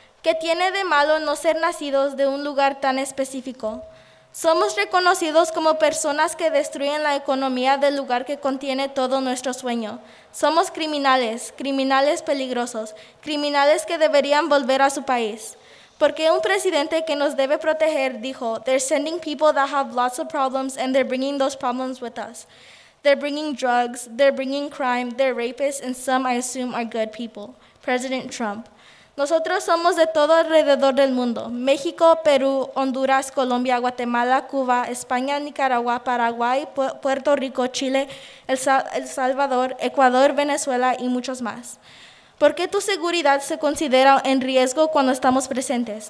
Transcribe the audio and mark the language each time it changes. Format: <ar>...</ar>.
<es>¿Qué tiene de malo no ser nacidos de un lugar tan específico? Somos reconocidos como personas que destruyen la economía del lugar que contiene todo nuestro sueño. Somos criminales, criminales peligrosos, criminales que deberían volver a su país. Porque un presidente que nos debe proteger dijo,</es> <en>they're sending people that have lots of problems and they're bringing those problems with us. They're bringing drugs, they're bringing crime, they're rapists, and some I assume are good people. President Trump.</en> <es>Nosotros somos de todo alrededor del mundo. México, Perú, Honduras, Colombia, Guatemala, Cuba, España, Nicaragua, Paraguay, Puerto Rico, Chile, El Salvador, Ecuador, Venezuela y muchos más. ¿Por qué tu seguridad se considera en riesgo cuando estamos presentes?</es>